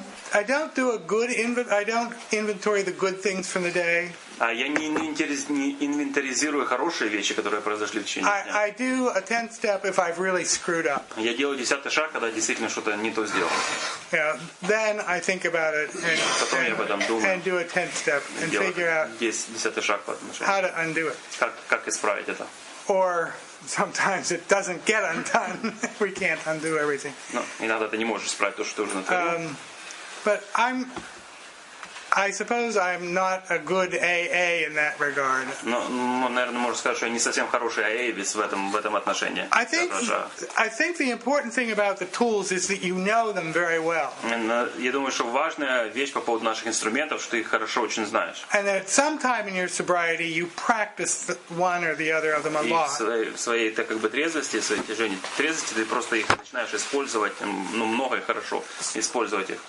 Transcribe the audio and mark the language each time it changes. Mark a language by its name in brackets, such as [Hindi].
[English] I don't do a good I don't inventory the good things from the day. [Russian] Я не инвентаризирую хорошие вещи, которые произошли в течение дня. [English] I do a 10th step if I've really screwed up. [Russian] Я делаю 10-й шаг, когда действительно что-то не то сделал. [English] Then I think about it and do a 10th step and figure out [Russian] 10-й шаг по отношению. [English] How to undo it. [Russian] Как исправить это? [English] Or sometimes it doesn't get undone. We can't undo everything. [Russian] Ну, иногда ты не можешь исправить то, что ты уже натворил. [English] But I suppose I'm not a good AA in that regard. [Russian] Ну, наверное, можно сказать, что я не совсем хороший AA в этом отношении. [English] I think the important thing about the tools is that you know them very well. [Russian] Я думаю, что важная вещь по поводу наших инструментов, что ты их хорошо очень знаешь. [English] And at some time in your sobriety, you practice one or the other of them a lot. [Russian] В своей так как бы трезвости, в своей тяжении трезвости, ты просто их начинаешь использовать, ну, много и хорошо использовать их.